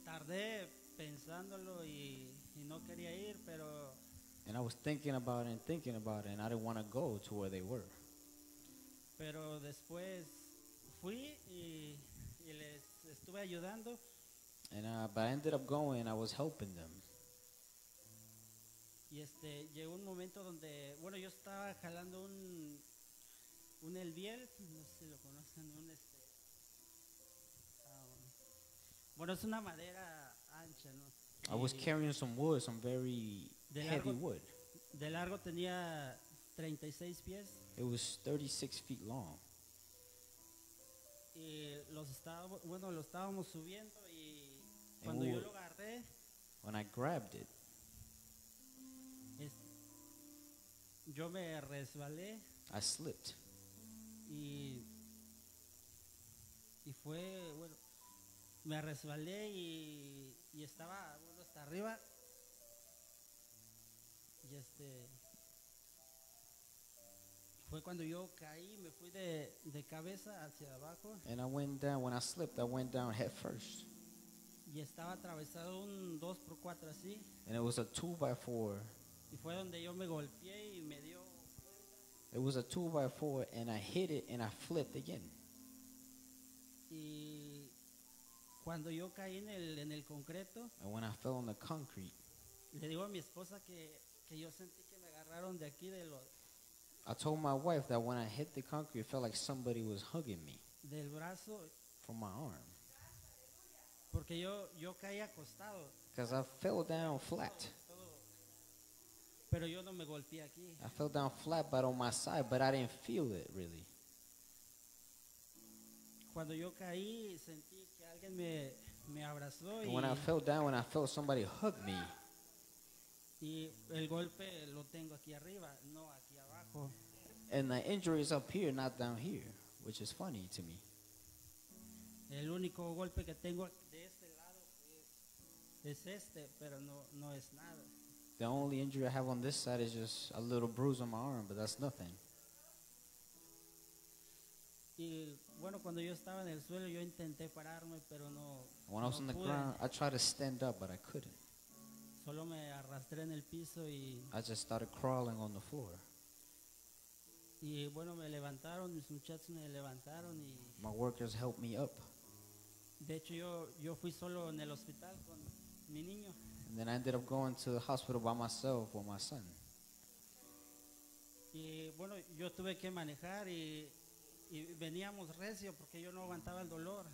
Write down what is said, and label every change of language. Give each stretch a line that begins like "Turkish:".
English: And I was thinking about it and I didn't want to go to where they were.
Spanish: Pero después fui y les estuve ayudando.
English: But I ended up going and I was helping them.
Spanish: Y llegó un momento donde yo estaba jalando un elviel, no sé si lo conocen, es una madera ancha, ¿no?
English: I was carrying some wood, some very heavy wood.
Spanish: De largo tenía 36 pies.
English: It was 36 feet long.
Spanish: Y lo estábamos subiendo y cuando yo lo agarré,
English: when I grabbed it,
Spanish: yo me resbalé.
English: I slipped.
Spanish: Y fue, me resbalé y estaba, hasta arriba. Y fue cuando yo caí, me fui de cabeza hacia abajo.
English: And I went down, when I slipped, I went down head first.
Spanish: Y estaba atravesado un 2x4 así.
English: And it was a 2x4
Spanish: Y fue donde yo me golpeé y me dio.
English: It was a 2x4 and I hit it and I flipped again.
Spanish: Y cuando yo caí en el concreto,
English: and when I fell on the concrete,
Spanish: le digo a mi esposa que yo sentí que me agarraron de aquí de los.
English: I told my wife that when I hit the concrete, it felt like somebody was hugging me.
Spanish: Del brazo.
English: From my arm.
Spanish: Porque yo caí acostado.
English: Because I fell down flat.
Spanish: Pero yo no me golpeé aquí.
English: I fell down flat, but on my side, but I didn't feel it really.
Spanish: Cuando yo caí, sentí que alguien me abrazó.
English: And when I fell down, when I felt somebody hug me.
Spanish: Y el golpe lo tengo aquí arriba, no aquí abajo.
English: And the injury is up here, not down here, which is funny to me.
Spanish: El único golpe que tengo de este lado es este, pero no es nada.
English: The only injury I have on this side is just a little bruise on my arm, but that's nothing.
Spanish: Y bueno, cuando yo estaba en el suelo, yo intenté pararme, pero no.
English: When I was on the ground, I tried to stand up, but I couldn't.
Spanish: Solo me arrastré en el piso y.
English: I just started crawling on the floor.
Spanish: Y bueno, me levantaron, mis muchachos me levantaron y.
English: My workers helped me up.
Spanish: De hecho, yo fui solo en el hospital con mi niño.
English: And then I ended up going to the hospital by myself with my son.
Spanish: Y bueno, yo tuve que manejar y veníamos recio porque yo no aguantaba el dolor.